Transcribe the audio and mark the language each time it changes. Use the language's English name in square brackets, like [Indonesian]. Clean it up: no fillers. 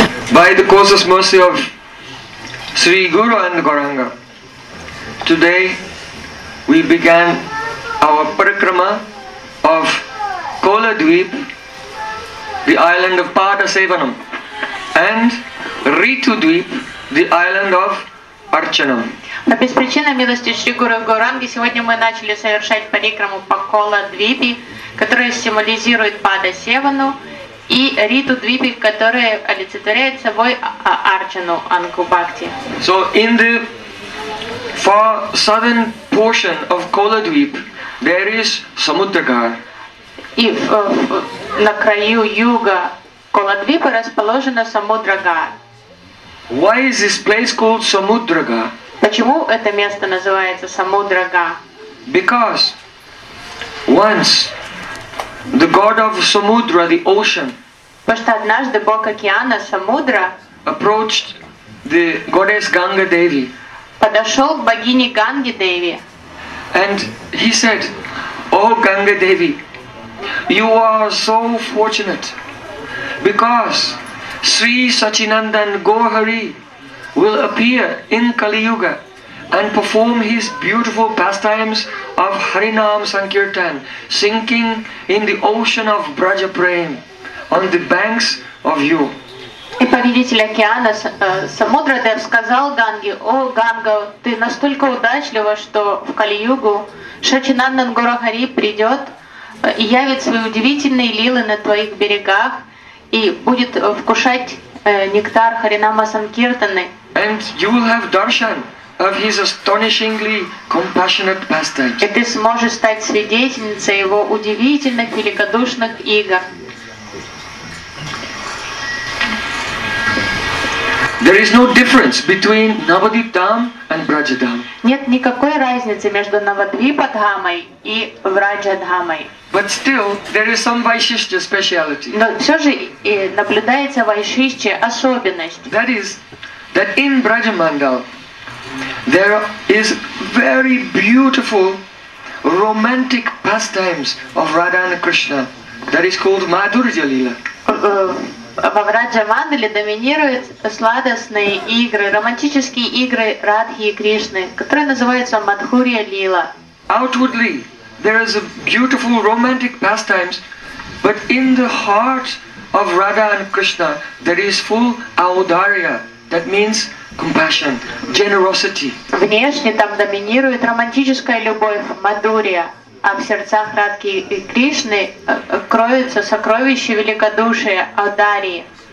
[English] By the causeless mercy of Sri Guru and Gauranga, today we began our parikrama of Kola Dweep, the island of Padasevanam, and Ritu Dweep, the island of Archanam. [Russian] По беспричинной милости Шри Гуру Гауранги сегодня мы начали совершать парикраму по Кола Двипи, которая символизирует Падасевану, и Риту Двипи, которая олицетворяет собой Арджану Анку Бхакти. [English] So in the far southern portion of Kola Dweep, there is Samudragar. [Russian] И на краю юга Кола Двипа расположена Самудрагар. [English] Why is this place called Samudragar? [Russian] Почему это место называется Самудрага? [English] Because once the god of Samudra, the ocean, [Russian] потому что однажды бог океана Самудра [English] approached the goddess Ganga Devi, [Russian] подошел к богине Ганге Деви, [English] and he said, "O Ganga Devi, you are so fortunate because Sri Sachinandan Gohari will appear in Kali Yuga and perform his beautiful pastimes of Harinam Sankirtan, sinking in the ocean of Braja Prem on the banks of you." [Russian] И повелитель океана Самудрадев сказал Ганге: "О, Ганга, ты настолько удачлива, что в Кали-Югу Шачинандан Гурухари придет и явит свои удивительные лилы на твоих берегах и будет вкушать нектар Харинама Санкиртаны. [English] And you will have darshan of his astonishingly compassionate pastimes." [Russian] И ты сможешь стать свидетельницей его удивительных великодушных игр. [English] There is no difference between Navadvip Dham and Braja Dham. [Russian] Нет никакой разницы между Навадвипа Дхамой и Враджа Дхамой. [English] But still, there is some Vaishishtya speciality. [Russian] Но все же наблюдается Вайшишча особенность. [English] That is, that in Braja Mandal there is very beautiful romantic pastimes of Radha and Krishna. That is called Madhurya Lila. [Russian] Во Враджа-мандале доминируют сладостные игры, романтические игры Радхи и Кришны, которые называются Мадхурья-лила. [English] Outwardly, there is a beautiful romantic pastimes, but in the heart of Radha and Krishna, there is full audarya, that means compassion, generosity. [Russian] Внешне там доминирует романтическая любовь, мадхурья, а в сердцах Радхи и Кришны кроются сокровища великодушия Адарии.